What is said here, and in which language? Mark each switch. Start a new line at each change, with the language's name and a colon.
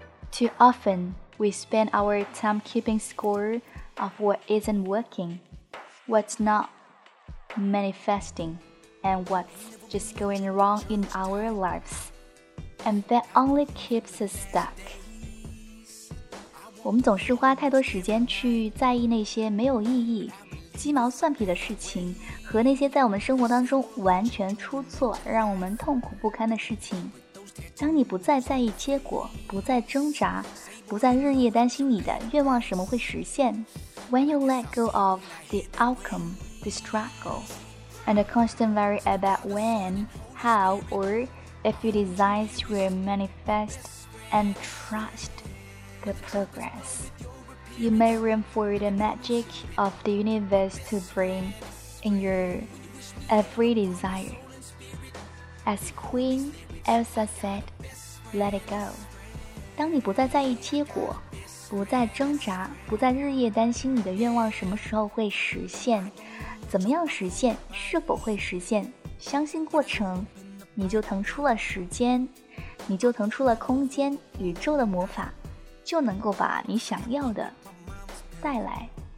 English: Too often, we spend our time keeping score of what isn't working, what's not manifesting, and what's just going wrong in our lives. And that only keeps us stuck.
Chinese: 我们总是花太多时间去在意那些没有意义、鸡毛蒜皮的事情和那些在我们生活当中完全出错、让我们痛苦不堪的事情。当你不再在意结果，不再挣扎，不再日夜担心你的愿望什么会实现。
English: When you let go of the outcome, the struggle, and the constant worry about when, how, or if your desires will manifest and trust the progress, you may room for the magic of the universe to bring in your every desire. As Queen Elsa said, let it go.
Chinese: 当你不再在意结果，不再挣扎，不再日夜担心你的愿望什么时候会实现，怎么样实现，是否会实现，相信过程，你就腾出了时间，你就腾出了空间，宇宙的魔法就能够把你想要的带来。